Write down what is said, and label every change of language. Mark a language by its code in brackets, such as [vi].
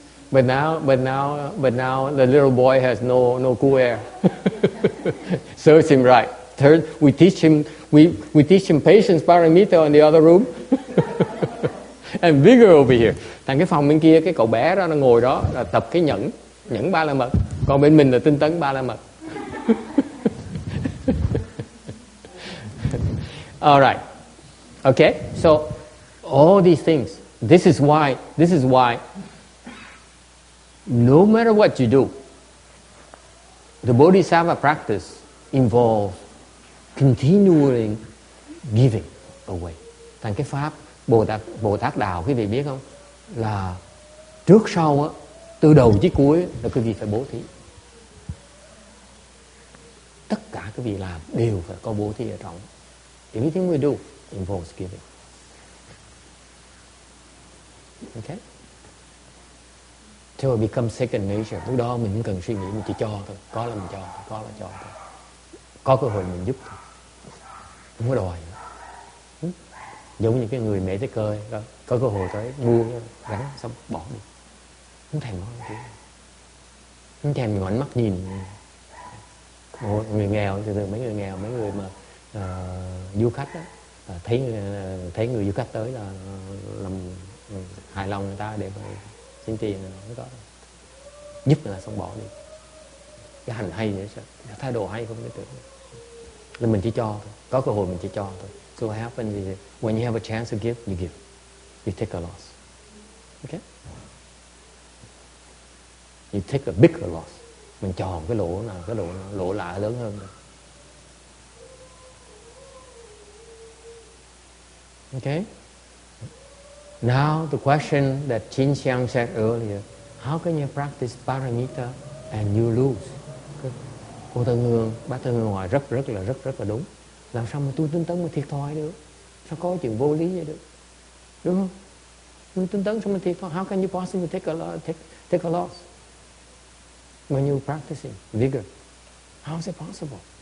[en] But now the little boy has no cool air. Serves him right. Third, we teach him patience parameter in the other room. And vigor over here. [vi] Thằng cái phòng bên kia cái cậu bé đó nó ngồi đó là tập cái nhẫn ba la mật. Còn bên mình là tinh tấn ba la mật. [en] All right. Okay. So all these things. This is why. No matter what you do, the bodhisattva practice involves continually giving away. [vi] Thành cái pháp Bồ Tát đạo, quý vị biết không? Là trước sau á, từ đầu chí cuối là quý vị phải bố thí. Tất cả quý vị làm đều phải có bố thí ở trong. [en] Everything we do involves giving. Okay? So it becomes second nature. [vi] Lúc đó mình không cần suy nghĩ, mình chỉ cho thôi. Có là mình cho, có là cho thôi. Có cơ hội mình giúp thôi. Không có đòi. Giống như cái người mẹ tới cơi, có cơ hội tới mua, gắn xong bỏ đi. Không thèm nói gì. Không thèm ngoảnh mắt nhìn. Một người nghèo, thường mấy người nghèo, mấy người mà du khách đó, thấy người du khách tới là làm hài lòng người ta để mà xin tiền rồi đó, giúp người ta xong bỏ đi. Cái hành hay nữa sao, cái thái độ hay không, cái tưởng là mình chỉ cho thôi, có cơ hội mình chỉ cho thôi. [en] So what happens is when you have a chance to give, you give, you take a loss, okay, you take a bigger loss. [vi] Mình cho một cái lỗ lạ lớn hơn rồi. [en] Okay. Now the question that Qin Xiang said earlier, how can you practice paramita and you lose? [vi] Cô Tân Hương, bác Tân Hương hỏi rất là đúng. Làm sao mà tu tinh tấn mà thiệt thòi được? Sao có chuyện vô lý vậy được? Đúng không? Tu tinh tấn sao mà thiệt thòi? [en] How can you possibly take a loss when you practicing vigor? How is it possible?